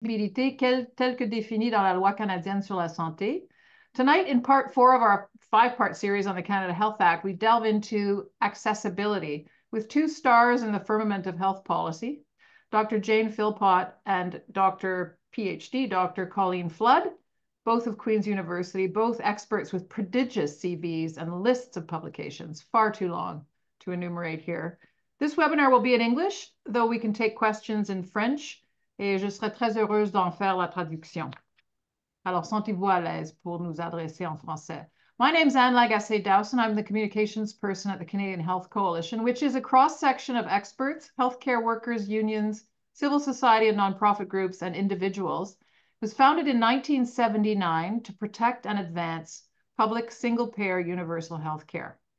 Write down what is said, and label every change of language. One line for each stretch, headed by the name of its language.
French: telle que définie dans la loi canadienne sur la santé.
English: Tonight, in part four of our five-part series on the Canada Health Act, we delve into accessibility with two stars in the firmament of health policy, Dr. Jane Philpott and Dr. PhD, Dr. Colleen Flood, both of Queen's University, both experts with prodigious CVs and lists of publications, far too long to enumerate here. This webinar will be in English, though we can take questions in French,
French: et je serais très heureuse d'en faire la traduction. Alors, sentez-vous à l'aise pour nous adresser en français.
English: My name is Anne Lagacé Dowson. I'm the communications person at the Canadian Health Coalition, which is a cross-section of experts, healthcare workers, unions, civil society and nonprofit groups, and individuals. It was founded in 1979 to protect and advance public single-payer universal healthcare.